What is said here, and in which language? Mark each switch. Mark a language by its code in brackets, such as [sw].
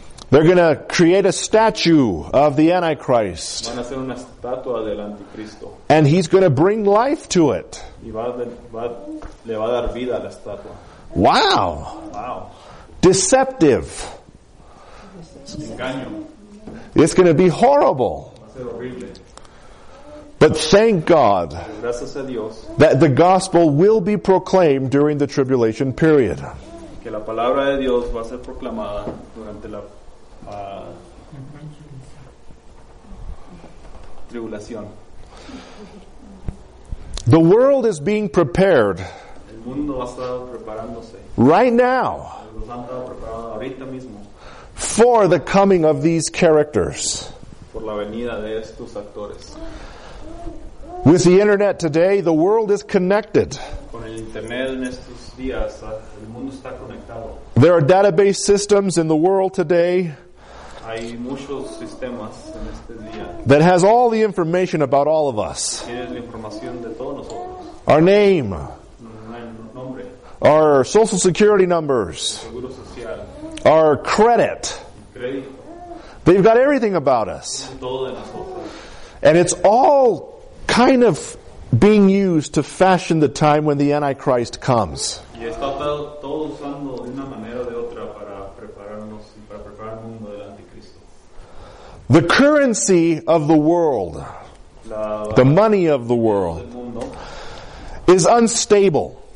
[en] They're going to create a statue of the Antichrist. [es] Van a hacer una estatua del anticristo. [en] And he's going to bring life to it. [es] Y le va a dar vida a la estatua. Wow. Wow. [en] Deceptive. [es] Engaño. [en] It's going to be horrible. [es] Va a ser horrible. [en] But thank God [es] gracias a Dios [en] that the gospel will be proclaimed during the tribulation period. [es] Que la palabra de Dios va a ser proclamada durante la tribulación. [en] The world is being prepared. [es] El mundo ha estado preparándose [en] right now. [es] Los han estado preparando ahorita mismo [en] for the coming of these characters. [es] Por la venida de estos actores. [en] With the internet today, the world is connected. [es] Con el internet en estos días, el mundo está conectado. [en] There are database systems in the world today [es] hay muchos sistemas en este día [en] that has all the information about all of us. [es] Tiene la información de todos nosotros. [en] Our name. [es] Nombre. [en] Our social security numbers. [es] Seguro social. [en] Our credit. [es] Crédito. [en] They've got everything about us. [es] Todo de nosotros. [en] And it's all kind of being used to fashion the time when the Antichrist comes. [es] Y está todo usando de una manera o de otra para prepararnos y para preparar el mundo del Anticristo. [en] The currency of the world, the money of the world, is unstable.